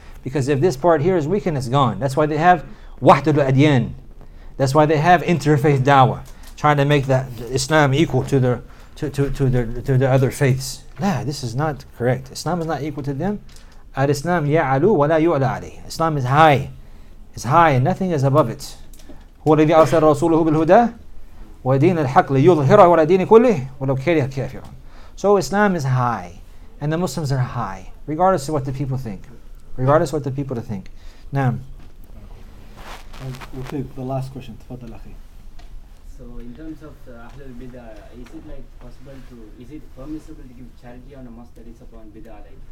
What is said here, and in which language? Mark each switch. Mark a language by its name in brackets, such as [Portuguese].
[English] Because if this part here is weakened, it's gone. That's why they have wahdatul adyan. That's why they have interfaith dawah. trying to make that Islam equal to their to the other faiths. Nah, this is not correct. Islam is not equal to them. [Arabic] Al-Islam ya'alu wa la yu'la alayh. [English] Islam is high. It's high and nothing is above it. [Arabic] هو الذي أرسل رسوله بالهدى ودين الحق ليظهره على دين كله ولو كره الكافرون. [English] So Islam is high and the Muslims are high regardless of what the people think. Regardless of what the people think. [Arabic] Naam. [English] We'll take the last question. [Arabic] تفضل أخي. [English] So in terms of the Ahl al-Bidah, is it like possible to, is it permissible to give charity on a mosque that is upon Bidah like?